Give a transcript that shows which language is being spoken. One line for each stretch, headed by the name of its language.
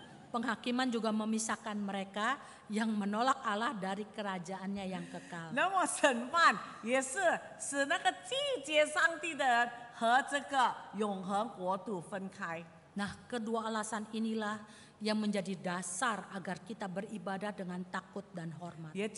Indonesian: Penghakiman juga memisahkan mereka yang menolak Allah dari kerajaannya yang kekal.
Chinese: 那么审判也是使那个季节上帝的和这个永恒国度分开.
Indonesian: Nah, kedua alasan inilah yang menjadi dasar agar kita beribadah dengan takut dan hormat.